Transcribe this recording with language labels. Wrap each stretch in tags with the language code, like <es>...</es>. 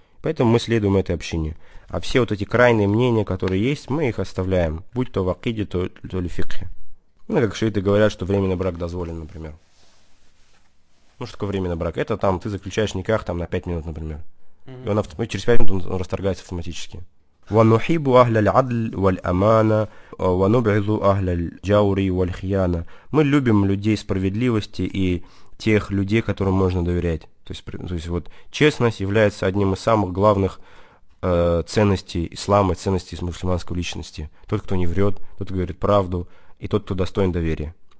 <ru>Поэтому мы следуем этой общине. А все вот эти крайние мнения, которые есть, мы их оставляем, будь то в акиде, то ли в фикхе. Ну, как шииты говорят, что временный брак дозволен, например. Ну, что такое временный брак? Это там ты заключаешь никах там на 5 минут, например. И через 5 минут он расторгается автоматически.</ru> <ar>ونحب أهل العدل والأمانة ونبغض أهل الجور والخيانة.</ar> <ru>Мы любим людей справедливости и тех людей, которым можно доверять. То есть вот честность является одним из самых главных ценностей ислама, ценностей мусульманской личности. Тот, кто не врет, тот, кто говорит правду, и тот, кто достоин доверия.</ru>